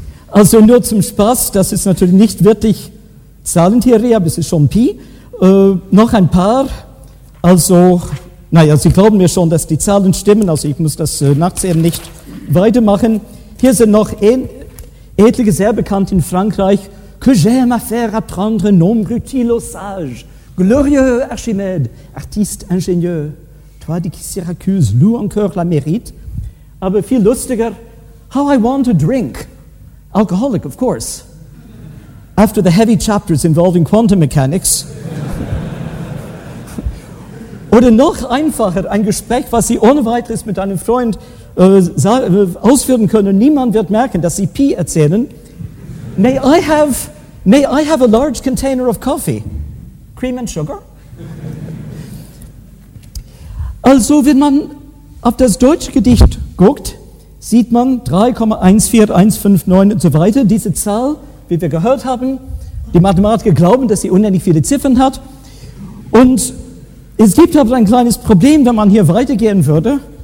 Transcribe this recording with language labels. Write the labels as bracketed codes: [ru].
[de] Also nur zum Spaß, das ist natürlich nicht wirklich Zahlentheorie, aber es ist schon Pi. Noch ein paar, Sie glauben mir schon, dass die Zahlen stimmen, also ich muss das nachts eben nicht weitermachen. Hier sind noch etliche, sehr bekannt in Frankreich. [fr] Que j'aime à faire apprendre nombre utile au sage. Glorieux Archimède, artiste ingénieux. Toi de qui Syracuse loue encore la mérite. [de] Aber viel lustiger, [en] how I want a drink. Alcoholic, of course. After the heavy chapters involving quantum mechanics. [de] Oder noch einfacher, ein Gespräch, was Sie ohne weiteres mit einem Freund ausführen können. Niemand wird merken, dass Sie Pi erzählen. [en] May I have a large container of coffee? Cream and sugar? [de] Also, wenn man auf das deutsche Gedicht guckt, sieht man 3,14159 und so weiter. Diese Zahl, wie wir gehört haben, die Mathematiker glauben, dass sie unendlich viele Ziffern hat. Und es gibt aber ein kleines Problem, wenn man hier weitergehen würde.